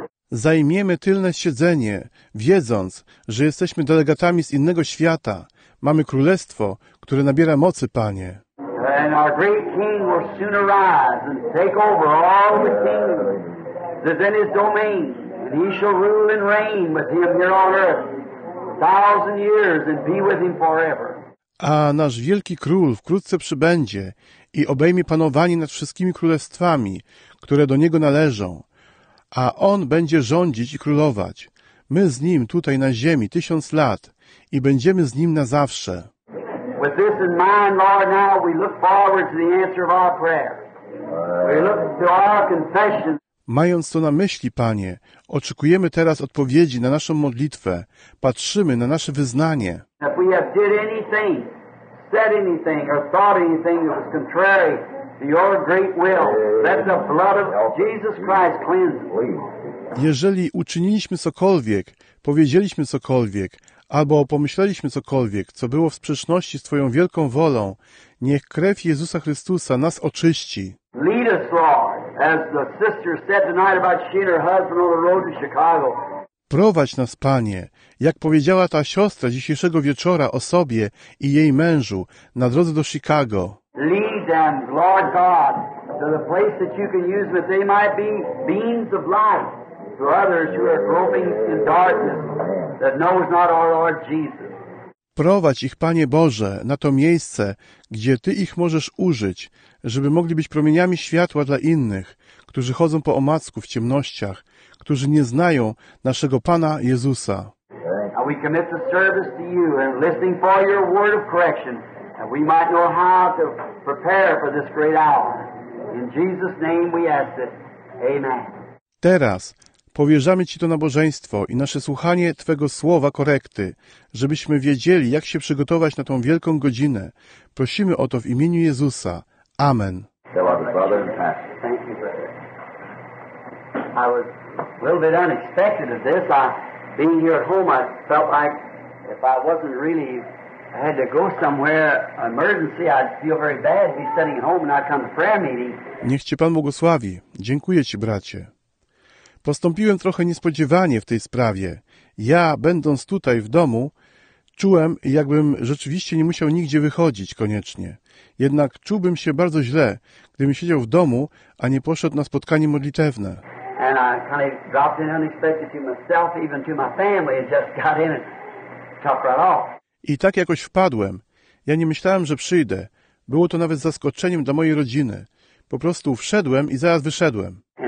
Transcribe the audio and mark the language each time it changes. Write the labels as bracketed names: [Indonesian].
[Polish] Zajmiemy tylne siedzenie, wiedząc, że jesteśmy delegatami z innego świata. Mamy królestwo, które nabiera mocy, Panie. [English] And our great king will soon arise and take over all the kingdoms that's in his domain. And he shall rule and reign with him here on earth 1,000 years and be with him forever. [Polish] A nasz wielki król wkrótce przybędzie i obejmie panowanie nad wszystkimi królestwami, które do niego należą. A On będzie rządzić i królować. My z Nim tutaj na ziemi 1,000 lat i będziemy z Nim na zawsze. [English] With this in mind, Lord, now we look forward to the answer of our prayer. We look to our confession. [Polish] Mając to na myśli, Panie, oczekujemy teraz odpowiedzi na naszą modlitwę. Patrzymy na nasze wyznanie. [English] If we have did anything, said anything, or thought anything that was contrary Your great will, let the blood of Jesus Christ cleanse me. [Polish] Jeżeli uczyniliśmy cokolwiek, powiedzieliśmy cokolwiek, albo pomyśleliśmy cokolwiek, co było w sprzeczności z Twoją wielką wolą, niech krew Jezusa Chrystusa nas oczyści. [English] Lead us, Lord, as the sister said tonight about she and her husband on the road to Chicago. [Polish] Prowadź nas, Panie, jak powiedziała ta siostra dzisiejszego wieczora o sobie i jej mężu na drodze do Chicago. [English] Lead them, Lord God, to the place that you can use that they might be beams of light to others who are groping in darkness that knows not our Lord Jesus. [Polish] Prowadź ich, Panie Boże, na to miejsce, gdzie Ty ich możesz użyć, żeby mogli być promieniami światła dla innych, którzy chodzą po omacku w ciemnościach, którzy nie znają naszego Pana Jezusa. [English] And we commit the service to you and listening for your word of correction. And we might know how to prepare for this great hour. In Jesus' name we ask it. Amen. [Polish] Teraz powierzamy Ci to nabożeństwo i nasze słuchanie Twego słowa korekty, żebyśmy wiedzieli, jak się przygotować na tą wielką godzinę. Prosimy o to w imieniu Jezusa. Amen. [English] Beloved brother and pastor. Thank you, brother. I was a little bit unexpected at this. Being here at home, I felt like if I wasn't really... I had to go somewhere, emergency, I'd feel very bad, be sitting at home and not come to prayer meeting. [Polish] Niech Cię Pan błogosławi. Dziękuję Ci, bracie. Postąpiłem trochę niespodziewanie w tej sprawie. Ja, będąc tutaj w domu, czułem, jakbym rzeczywiście nie musiał nigdzie wychodzić koniecznie. Jednak czułbym się bardzo źle, gdybym siedział w domu, a nie poszedł na spotkanie modlitewne. [English] And I kind of dropped in unexpected to myself, even to my family, and just got in and chopped right off. [Polish] I tak jakoś wpadłem. Ja nie myślałem, że przyjdę. Było to nawet zaskoczeniem dla mojej rodziny. Po prostu wszedłem i zaraz wyszedłem.